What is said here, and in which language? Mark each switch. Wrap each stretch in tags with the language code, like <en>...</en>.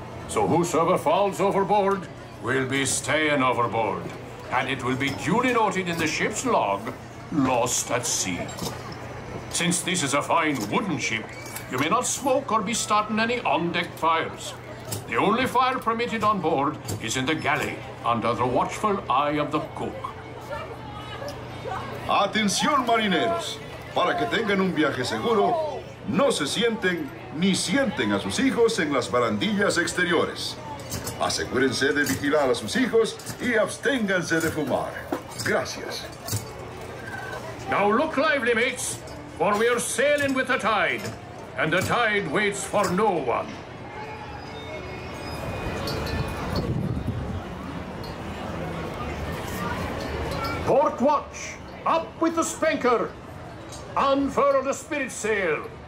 <en>So whosoever falls overboard will be staying overboard, and it will be duly noted in the ship's log, lost at sea. Since this is a fine wooden ship, you may not smoke or be starting any on-deck fires. The only fire permitted on board is in the galley, under the watchful eye of the cook.</en> <es>Atención, marineros. Para que tengan un viaje seguro, no se sienten ni sienten a sus hijos en las barandillas exteriores. Asegúrense de vigilar a sus hijos y absténganse de fumar. Gracias.</es> <en>Now look lively, mates, for we are sailing with the tide, and the tide waits for no one. Port watch, up with the spanker. Unfurl the spirit sail.</en>